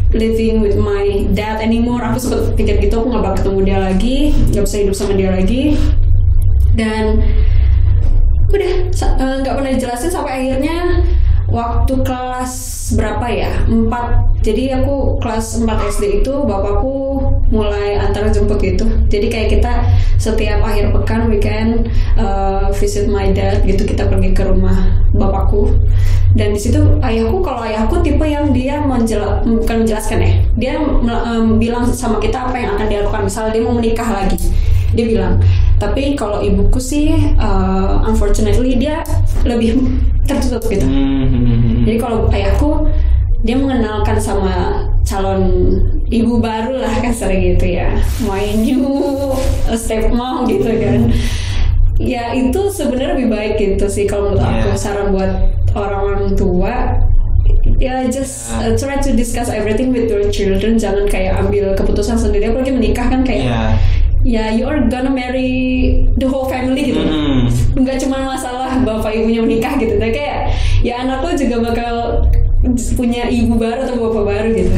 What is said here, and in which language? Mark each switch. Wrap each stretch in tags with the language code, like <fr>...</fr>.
<en>living with my dad anymore.</en> <id>Aku sempat pikir gitu, aku gak bakal ketemu dia lagi, gak bisa hidup sama dia lagi. Dan udah, gak pernah dijelasin sampai akhirnya waktu kelas berapa ya, 4. Jadi aku kelas 4 SD itu bapakku mulai antar jemput gitu. Jadi kayak kita setiap akhir pekan</id> <en>weekend visit my dad</en> <id>gitu, kita pergi ke rumah bapakku. Dan di situ ayahku, kalau ayahku tipe yang dia menjelaskan ya. Dia bilang sama kita apa yang akan dia lakukan. Misal dia mau menikah lagi, dia bilang. Tapi kalau ibuku sih unfortunately dia lebih tertutup gitu. Jadi kalau ayahku, dia mengenalkan sama calon ibu baru lah, kan sering gitu ya,</id> <en>my new stepmom</en> <id>gitu kan. Ya itu sebenarnya lebih baik gitu sih kalau menurut aku. Saran buat orang tua ya,</id> <en>just try to discuss everything with your children.</en> <id>Jangan kayak ambil keputusan sendiri, apalagi menikah kan kayak ya</id> <en>you're gonna marry the whole family</en> <id>gitu. Nggak cuma masalah bapak ibunya menikah gitu, tapi kayak ya anak lo juga bakal punya ibu baru atau bapak baru gitu,</id>